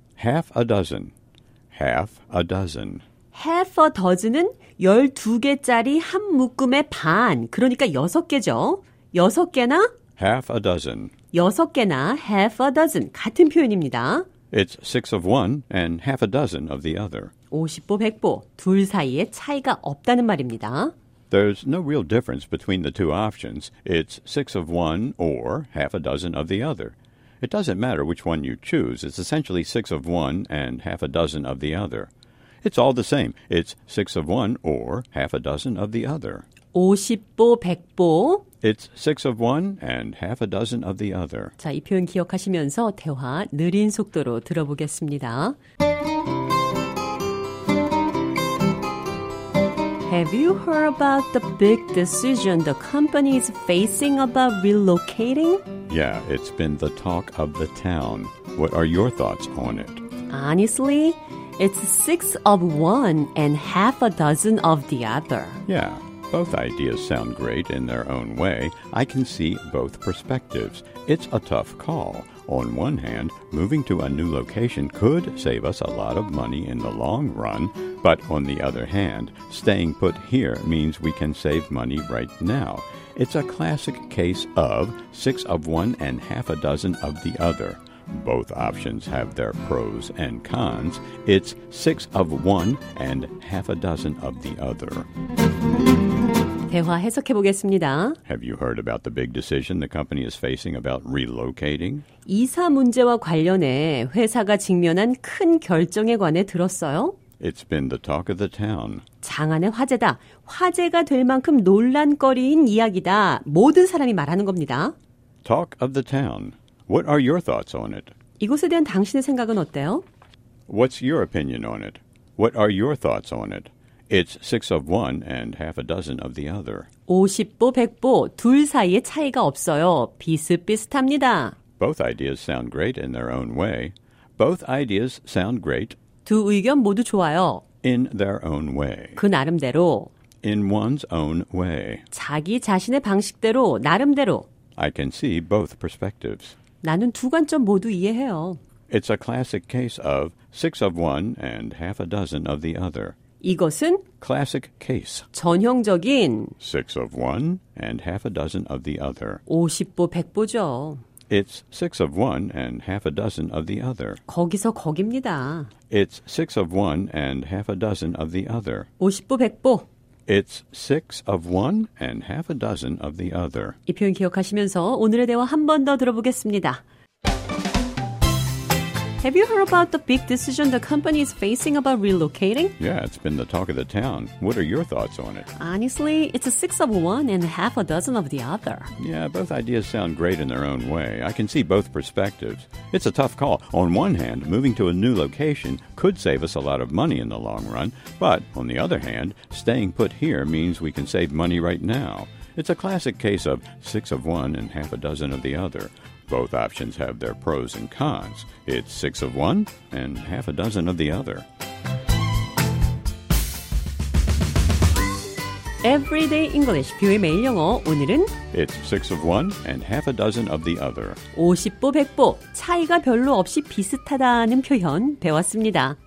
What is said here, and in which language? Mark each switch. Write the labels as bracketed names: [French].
[English] Half a dozen. Half a dozen. Half a dozen [Korean] 은 12개짜리 한 묶음의 반, 그러니까 여섯 개죠. 여섯 개나. [English] Half a dozen. [Korean] 여섯 개나 [English] half a dozen. [Korean] 같은 표현입니다. [English] It's six of one and half a dozen of the other. [Korean] 50보, 100보. 둘 사이에 차이가 없다는 말입니다. [English] There's no real difference between the two options. It's six of one or half a dozen of the other. It doesn't matter which one you choose. It's essentially six of one and half a dozen of the other. It's all the same. It's six of one or half a dozen of the other. 50보, 100보. It's six of one and half a dozen of the other. [Korean] 자, 이 표현 기억하시면서 대화 느린 속도로 들어보겠습니다. [English] Have you heard about the big decision the company is facing about relocating? Yeah, it's been the talk of the town. What are your thoughts on it? Honestly, it's six of one and half a dozen of the other. Yeah, both ideas sound great in their own way. I can see both perspectives. It's a tough call. On one hand, moving to a new location could save us a lot of money in the long run. But on the other hand, staying put here means we can save money right now. It's a classic case of six of one and half a dozen of the other. Both options have their pros and cons. It's six of one and half a dozen of the other. [Korean] 대화 해석해 보겠습니다. [English] Have you heard about the big decision the company is facing about relocating? [Korean] 이사 문제와 관련해 회사가 직면한 큰 결정에 관해 들었어요. [English] It's been the talk of the town. [Korean] 장안의 화제다. 화제가 될 만큼 논란거리인 이야기다. 모든 사람이 말하는 겁니다. [English] Talk of the town. What are your thoughts on it? [Korean] 이곳에 대한 당신의 생각은 어때요? [English] What's your opinion on it? What are your thoughts on it? It's six of one and half a dozen of the other. [Korean] 50보, 100보, 둘 사이에 차이가 없어요. 비슷비슷합니다. [English] Both ideas sound great in their own way. Both ideas sound great. [Korean] 두 의견 모두 좋아요. [English] In their own way. [Korean] 그 나름대로. [English] In one's own way. [Korean] 자기 자신의 방식대로, 나름대로. [English] I can see both perspectives. [Korean] 나는 두 관점 모두 이해해요. [English] It's a classic case of six of one and half a dozen of the other. [Korean] 이것은 [English] classic case. [Korean] 전형적인 [English] six of one and half a dozen of the other. [Korean] 50보, 100보죠. [English] It's six of one and half a dozen of the other. [Korean] 거기서 거기입니다. [English] It's six of one and half a dozen of the other. [Korean] 50보, 100보. [English] It's six of one and half a dozen of the other. [Korean] 이 표현 기억하시면서 오늘의 대화 한 번 더 들어보겠습니다. [English] Have you heard about the big decision the company is facing about relocating? Yeah, it's been the talk of the town. What are your thoughts on it? Honestly, it's a six of one and half a dozen of the other. Yeah, both ideas sound great in their own way. I can see both perspectives. It's a tough call. On one hand, moving to a new location could save us a lot of money in the long run. But on the other hand, staying put here means we can save money right now. It's a classic case of six of one and half a dozen of the other. Both options have their pros and cons. It's six of one and half a dozen of the other. Everyday English, [Korean] 뷰의 매일 영어, 오늘은 [English] It's six of one and half a dozen of the other. [Korean] 50보, 100보, 차이가 별로 없이 비슷하다는 표현 배웠습니다.